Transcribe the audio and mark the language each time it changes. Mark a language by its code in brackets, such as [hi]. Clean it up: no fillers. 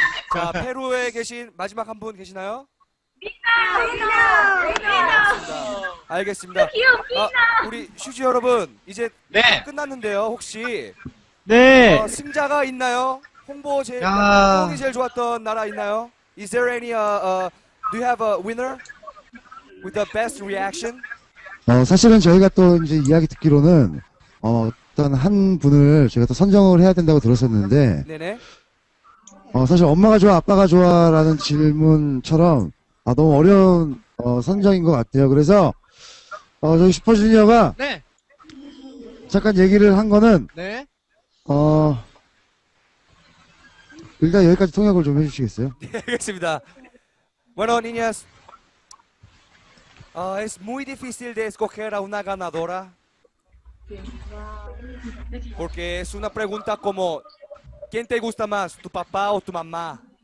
[ko] 자, 페루에 계신 마지막 한 분 계시나요? 비나! 알겠습니다. 비나! 아, 우리 슈지 여러분 이제 네. 끝났는데요. 혹시 네. 승자가 있나요? 홍보 제일 야. 홍이 제일 좋았던 나라 있나요? [en] Is there any do you have a winner with the best reaction? [ko] 사실은 저희가 또 이제 이야기 듣기로는 어떤 한 분을 저희가 또 선정을 해야 된다고 들었었는데 네네. 사실 엄마가 좋아, 아빠가 좋아라는 질문처럼 너무 어려운 선정인 것 같아요. 그래서 저기 슈퍼주니어가 네. 잠깐 얘기를 한 거는 네. 일단 여기까지 통역을 좀 해주시겠어요? 네, 알겠습니다. [es] Bueno, niñas. Es muy difícil de escoger a una ganadora. Porque es una pregunta como ¿quién te gusta más, tu papá o tu mamá?